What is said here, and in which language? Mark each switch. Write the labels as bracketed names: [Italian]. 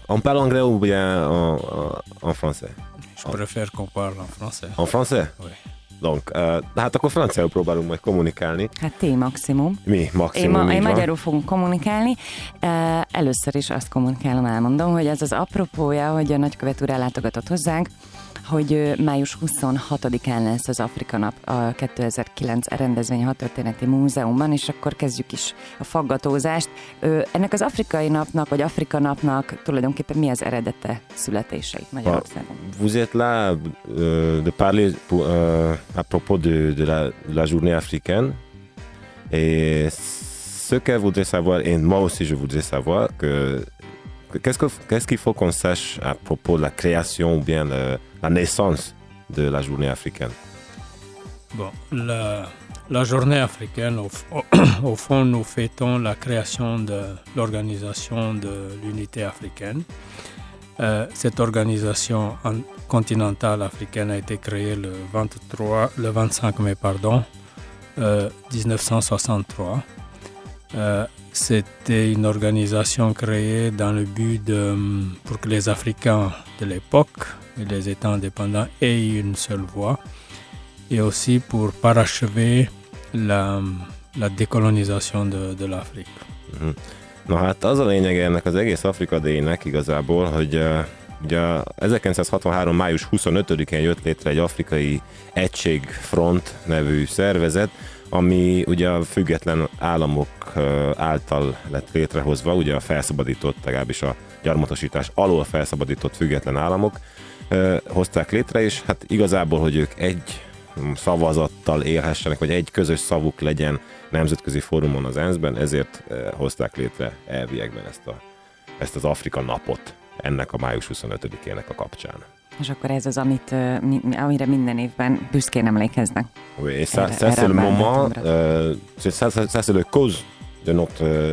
[French] On parle anglais ou bien en français? Je préfère qu'on parle en français. En français? Oui. Donc, [Hungarian] hát akkor franciául próbálunk majd kommunikálni. Hát ti maximum. Mi maximum, így van. Én magyarul fogunk kommunikálni. Először is azt kommunikálom, elmondom, hogy ez az apropója, hogy a nagykövet úr ellátogatott hozzánk, hogy május 26-án lesz az Afrika nap a 2009 rendezvény hadtörténeti múzeumban, és akkor kezdjük is a faggatózást. Ennek az afrikai napnak, vagy Afrika napnak tulajdonképpen mi az eredete születései Magyarországon? [French] Vous êtes là de parler à propos de la journée africaine, et ce que voudrais savoir, et moi aussi je voudrais savoir, qu'est-ce qu'il faut qu'on sache à propos de la création ou bien la naissance de la journée africaine? Bon, la journée africaine, au fond, nous fêtons la création de l'organisation de l'unité africaine. Cette organisation continentale africaine a été créée le 25 mai, 1963. C'était une organisation créée dans le but pour que les Africains de l'époque, les États indépendants, aient une seule voix, et aussi pour parachever la décolonisation de l'Afrique. Mm-hmm. [Hungarian] No, hát az a lényeg ennek az egész Afrika Day-nek igazából, hogy ugye 1963. május 25-én jött létre egy afrikai egység front nevű szervezet, ami ugye a független államok által lett létrehozva, ugye a felszabadított, legalábbis a gyarmatosítás alól felszabadított független államok hozták létre, és hát igazából, hogy ők egy szavazattal élhessenek, vagy egy közös szavuk legyen nemzetközi fórumon az ENSZ-ben, ezért hozták létre elviekben ezt az Afrika napot ennek a május 25-ének a kapcsán. És akkor ez az, amire minden évben büszkén emlékeznek. [French] Oui, et ça, c'est le moment, c'est la cause de notre...